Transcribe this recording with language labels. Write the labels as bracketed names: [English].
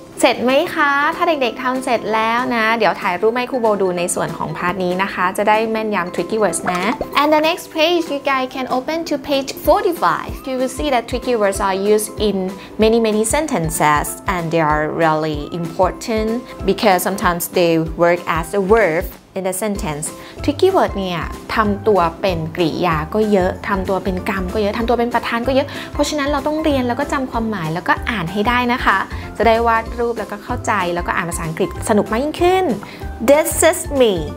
[Thai] เสร็จไหมคะถ้าเด็กๆทำเสร็จแล้วนะเดี๋ยวถ่ายรูปให้ครูโบดูในส่วนของพาร์ทนี้นะคะจะได้แม่นยำ tricky words นะ [English] And the next page you guys can open to page 45. You will see that tricky words are used in many sentences and they are really important because sometimes they work as a verb. In the sentence, [Thai] tricky word เนี่ยทำตัวเป็นกริยาก็เยอะทำตัวเป็นกรรมก็เยอะทำตัวเป็นประธานก็เยอะเพราะฉะนั้นเราต้องเรียนแล้วก็จำความหมายแล้วก็อ่านให้ได้นะคะจะได้วาดรูปแล้วก็เข้าใจแล้วก็อ่านภาษาอังกฤษสนุกมากยิ่งขึ้น [English] This is me.